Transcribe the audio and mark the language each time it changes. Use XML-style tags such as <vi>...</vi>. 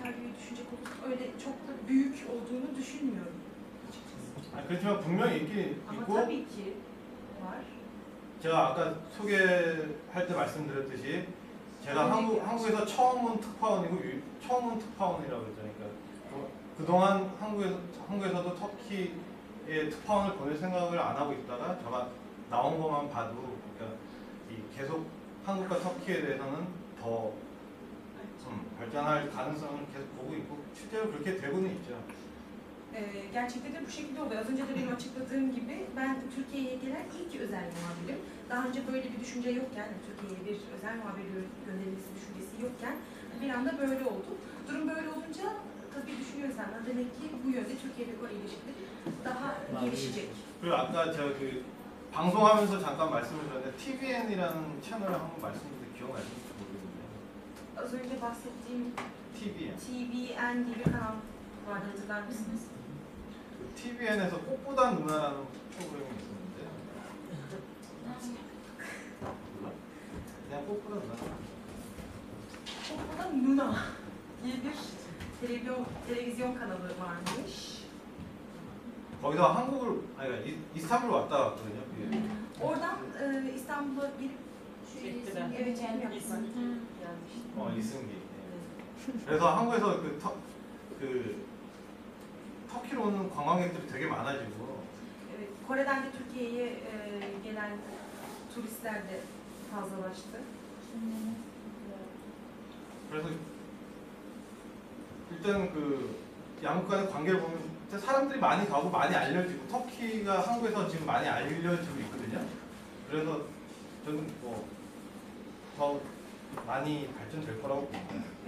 <tr>hayliyi düşünecek olursak öyle çok da büyük olduğunu düşünmüyorum açıkçası. Yani kırtıma분명히 있긴 ama</tr> <ko>있고</ko> <tr>ama tabii ki var.</tr> <ko>제가 아까 소개할 때 말씀드렸듯이 제가 한국에서 처음 온 특파원이고 처음 온 특파원이라고 그러니까 그동안 한국에서도 터키에 특파원을 보낼 생각을 안 하고 있다가 제가 나온 것만 봐도 그러니까 계속 한국과 터키에 대해서는 더 발전할 가능성을 계속 보고 있고 실제로 그렇게 되고는 있죠. 네,</ko> <tr>gerçekte de bu şekilde oluyor. Az önce de benim açıkladığım gibi ben Türkiye'ye gelen ilk özel muhabirim. Daha önce böyle bir düşünce yokken, Türkiye'ye bir özel muhabir gönderilmesi düşüncesi yokken bir anda böyle oldu. Durum böyle olunca tabii düşünüyoruz ama demek ki bu yönde Türkiye'de o ilişkiler daha gelişecek. Kuru, aklıma</tr> <ko>방송하면서 잠깐 말씀을 드렸는데 TVN이라는 채널을 한번 말씀해도 기억하시는지 모르겠는데 저희가 봤었지 TVN TVN 리뷰 하나 와드렸다고 했습니다. TVN에서 꽃보다 누나라는 프로그램이 있었는데 그냥 꽃보다 누나 꽃보다 누나 텔레비전 채널이 많은데 거기서 한국을 아니 이스탄불 왔다 왔거든요. 예. 어디 이스탄불 길 이승기. 어 이승기. 예. 그래서 한국에서 그 터키로 오는 관광객들이 되게 많아지고. 거래단 게</ko> <tr>Türkiye'ye gelen turistler de fazlalaştı.</tr> <ko>그래서 일단 그 양국 간의 관계를 보면. 사람들이 많이 가고 많이 알려지고 터키가 한국에서 지금 많이 알려지고 있거든요. 그래서 저는 뭐 더 많이 발전될 거라고 봅니다.</ko>